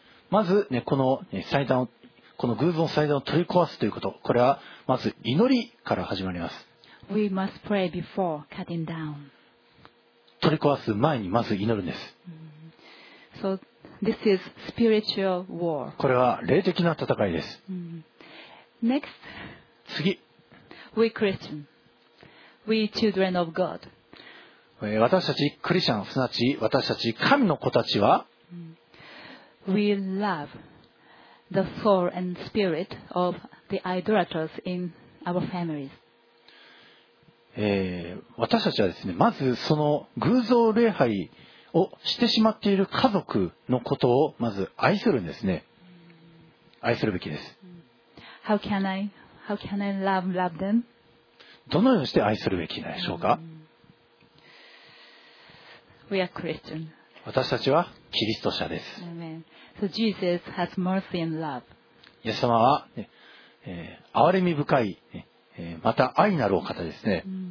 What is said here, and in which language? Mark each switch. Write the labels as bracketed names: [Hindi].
[Japanese] まず、ね、この祭壇を、この偶像の祭壇を取り壊すということ、これはまず祈りから始まります。 [English] We must pray before cutting down. [Japanese] 取り壊す前にまず祈るんです。 [English] So, this is spiritual war. [Japanese] これは霊的な戦いです。 [English] Next, [Japanese] 次。 [English] We Christian. We children of God. [Japanese] 私たちクリスチャン、すなわち私たち神の子たちは、 [English] We love the soul and spirit of the idolaters in our families. [Japanese] 私たちはですね、まずその偶像礼拝をしてしまっている家族のことをまず愛するんですね。愛するべきです。 [English] How can I love them? [Japanese] どのようにして愛するべきでしょうか。 [English] We are Christian. [Japanese] 私たちはキリスト者です。 [English] Amen. So Jesus has mercy and love. [Japanese] イエス様は、憐れみ深い、また愛なるお方ですね。